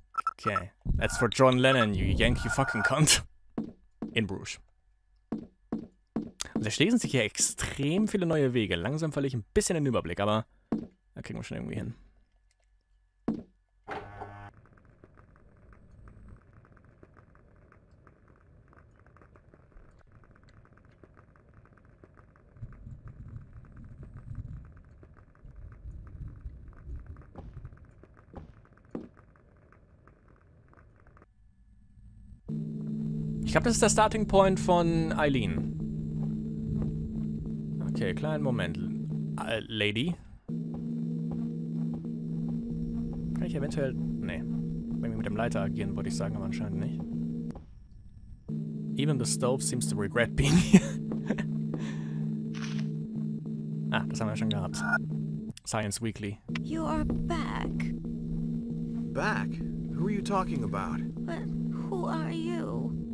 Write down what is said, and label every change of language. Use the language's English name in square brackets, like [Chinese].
[English] Okay, that's for John Lennon, you Yankee fucking cunt. In Bruges. [German] Also, da schließen sich hier extrem viele neue Wege. Langsam verliere ich ein bisschen den Überblick, aber da kriegen wir schon irgendwie hin. Ich glaube, das ist der Starting Point von Eileen. Okay, kleinen Moment. Lady. Kann ich eventuell... Nee. Wenn wir mit dem Leiter agieren, würde ich sagen, aber anscheinend nicht. [English] Even the stove seems to regret being here. [German] Ah, das haben wir schon gehabt. Science Weekly. [English] You are back. Back? Who are you talking about? But who are you?